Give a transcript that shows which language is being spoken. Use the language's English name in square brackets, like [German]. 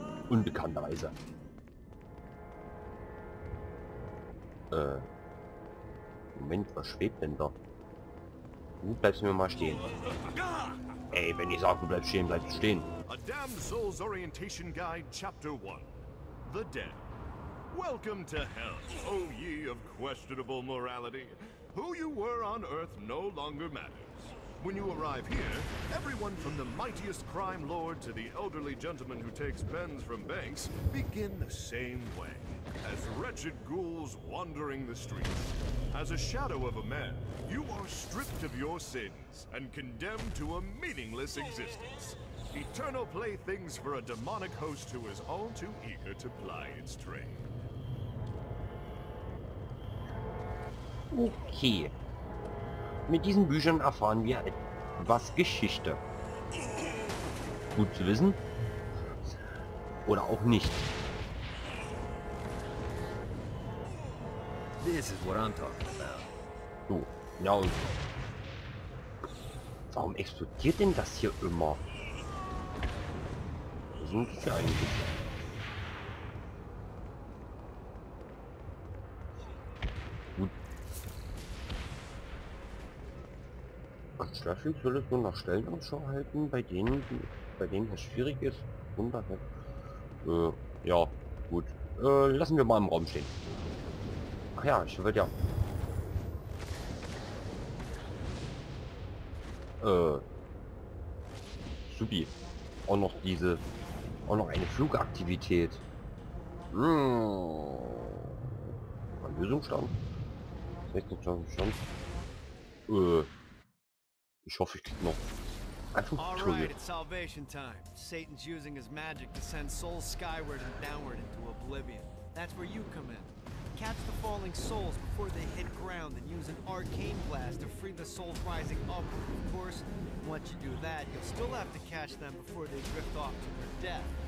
[German] Unbekannterweise. Moment, was schwebt denn da? Du bleibst mir mal stehen. Ey, wenn ich sage, bleib stehen, bleib stehen. [English] A Damned Souls Orientation Guide, Chapter 1. The Dead. Welcome to Hell, O ye of questionable morality. Who you were on Earth no longer matters. When you arrive here, everyone from the mightiest crime lord to the elderly gentleman who takes pens from banks begin the same way. As wretched ghouls wandering the streets. As a shadow of a man, you are stripped of your sins and condemned to a meaningless existence. Eternal playthings for a demonic host who is all too eager to ply its trade. Okay. [German] Mit diesen Büchern erfahren wir was Geschichte. Gut zu wissen. Oder auch nicht. [English] This is what I'm talking about. [German] So, ja und warum explodiert denn das hier immer? Was sind das hier eigentlich? Schlafschild solltest du nach Stellen Ausschau halten, bei denen es schwierig ist. Wunderbar. Ja, gut. Lassen wir mal im Raum stehen. Ach ja, ich wollte ja. Supi. Auch noch eine Flugaktivität. Ein Lösungsstand. 16.000 Stand. Ich hoffe, ich krieg noch einfach [English] All right, it's salvation time. Satan's using his magic to send souls skyward and downward into oblivion. That's where you come in. Catch the falling souls before they hit ground and use an arcane blast to free the souls rising upward. Of course, once you do that, you'll still have to catch them before they drift off to their death.